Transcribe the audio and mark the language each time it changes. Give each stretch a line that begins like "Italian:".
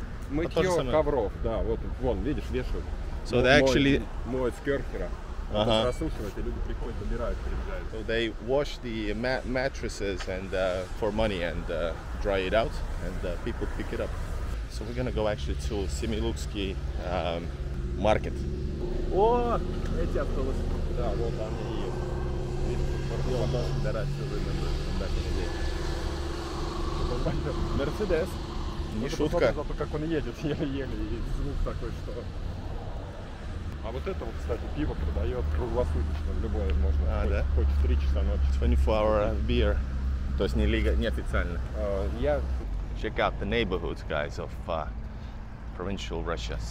Russian: Мытье ковров, да, вот, вон, видишь, вешают.
English: So they actually
Russian: моют с керхера. Ага. Просушивают, и люди приходят, убирают, приезжают.
English: So they wash the mattresses and for money and dry it out and people pick it up. So we're gonna go actually to Семилукский market.
Russian: О, эти автобусы. Да, вот они и есть. Мерседес. Не вот шутка. Зато как он едет, еле-еле, и звук такой, что... А вот это вот, кстати, пиво продает круглосуточно, любое можно. А, хоть, да? Хоть в 3 часа ночи.
English: 24-hour beer.
Russian: То есть не лига, не официально. Я...
English: Check out the neighborhoods, guys, of provincial Russia.